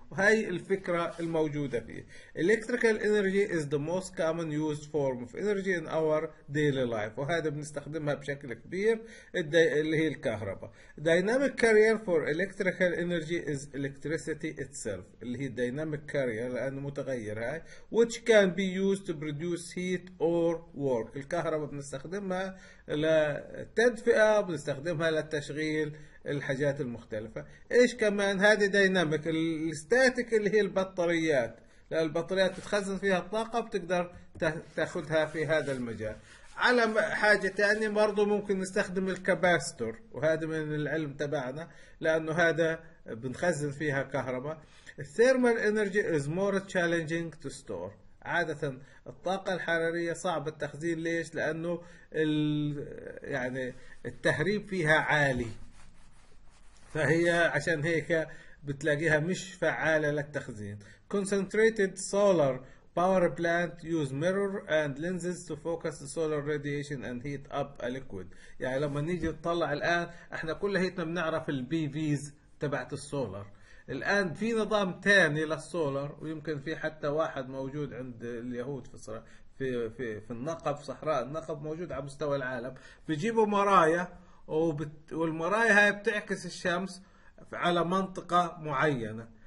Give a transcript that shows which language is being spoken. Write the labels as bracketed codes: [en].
[ar] وهي الفكره الموجوده فيه. [en] Electrical energy is the most common used form of energy in our daily life. [ar] وهذا بنستخدمها بشكل كبير اللي هي الكهرباء. [en] Dynamic carrier for electrical energy is electricity itself. [ar] اللي هي dynamic carrier لانه متغير هاي. [en] Which can be used to produce heat or work. [ar] الكهرباء بنستخدمها للتدفئه، بنستخدمها للتشغيل الحاجات المختلفة. ايش كمان؟ هذه دايناميك. الستاتيك اللي هي البطاريات، البطاريات تتخزن فيها الطاقة بتقدر تاخدها في هذا المجال. على حاجة تانية برضو ممكن نستخدم الكاباستور، وهذا من العلم تبعنا لانه هذا بنخزن فيها كهرباء. [en] الثيرمال energy is more challenging to store. [ar] عادة الطاقة الحرارية صعب التخزين. ليش؟ لانه يعني التهريب فيها عالي، فهي عشان هيك بتلاقيها مش فعالة للتخزين. [en] Concentrated solar power plant use mirror and lenses to focus the solar radiation and heat up a liquid. [ar] يعني لما نيجي نطلع الآن، احنا كل هيتنا بنعرف البي فيز تبعت السولار. الآن في نظام تاني للسولار، ويمكن في حتى واحد موجود عند اليهود في صحراء في في في النقب، في صحراء النقب موجود على مستوى العالم. بيجيبوا مرايا والمرايا هاي بتعكس الشمس على منطقة معينة.